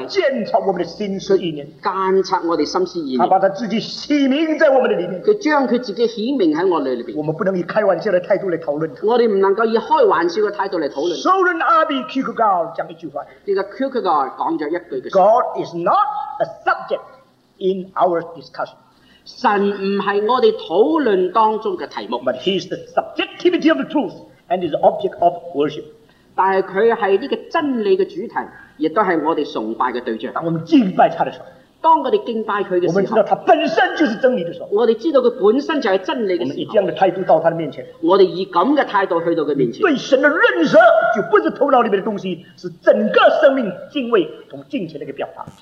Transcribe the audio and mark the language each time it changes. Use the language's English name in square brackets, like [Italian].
[Chinese] 他监察我们的心思意念，监察我们的心思意念，他把他自己显明在我们的里面，他将他自己显明在我们里面。我们不能以开玩笑的态度来讨论他，我们不能够以开玩笑的态度来讨论。首领阿比库克高讲一句话，这个库克高讲了一句话， [English] God is not a subject in our discussion. [Chinese] 神不是我们讨论当中的题目， [English] but he is the subjectivity of the truth and is the object of worship. [Chinese] 但是他是这个真理的主题，也都是我们崇拜的对象。当我们敬拜他的时候，当我们敬拜他的时候，我们知道他本身就是真理的时候，我们知道他本身就是真理的时候，我们以这样的态度到他的面前，我们以这样的态度去到他面前，对神的认识就不是头脑里面的东西，是整个生命敬畏和敬虔的一个表达。